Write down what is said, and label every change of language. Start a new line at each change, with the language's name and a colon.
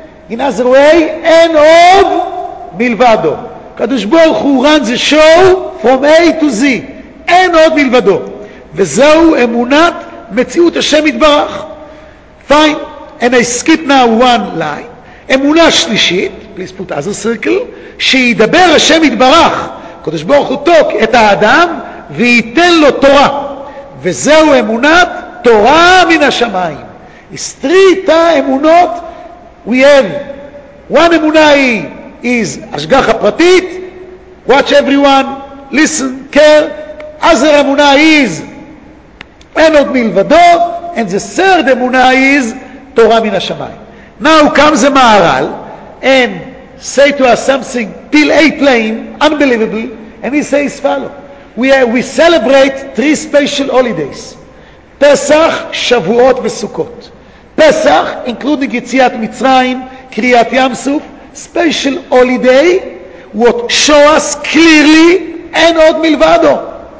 English: In other way,
Hebrew: אין עוד מלבדו. קדוש ברוך הוא
English: run the show from A to Z,
Hebrew: אין עוד מלבדו, וזהו אמונת מציאות השם יתברך.
English: Fine, and I skip now one line.
Hebrew: אמונה שלישית,
English: please put other circle,
Hebrew: שידבר השם יתברך, קדוש ברוך הוא תוק את האדם וייתן לו תורה, וזהו אמונת תורה מן השמיים. הסטרית האמונות,
English: we have one
Hebrew: אמונה היא
English: is
Hebrew: השגחה פרטית,
English: watch everyone, listen, care. Other אמונה is
Hebrew: אין עוד מלבדו,
English: and the third אמונה is
Hebrew: תורה מן השמיים.
English: Now comes the Maharal and say to us something till eight lane, unbelievable, and he says follow. We celebrate three special holidays. Pesach, Shavuot, Sukkot. Pesach, including Yitziat Mitzrayim, Kriyat Yamsuf, special holiday, what show us clearly and
Hebrew: od milvado.